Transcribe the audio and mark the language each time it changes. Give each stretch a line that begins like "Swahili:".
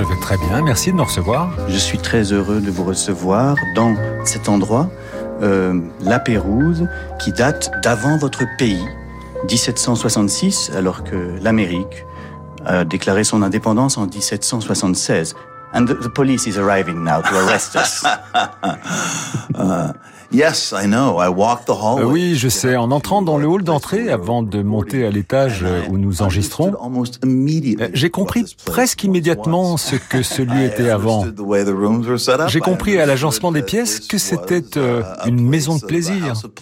French: me. Je vais très bien, merci de me recevoir. Je suis très heureux de vous recevoir dans cet endroit, La Pérouse, qui date d'avant votre pays, 1766, alors que l'Amérique a déclaré son indépendance en 1776.
English: And the police is arriving now to arrest us. Yes, I know. I walked the hallway.
French: Oui, je sais. En entrant dans le hall d'entrée, avant de monter à l'étage où nous enregistrons, j'ai compris presque immédiatement ce que ce lieu était avant. J'ai compris à l'agencement des pièces que c'était une maison de plaisir.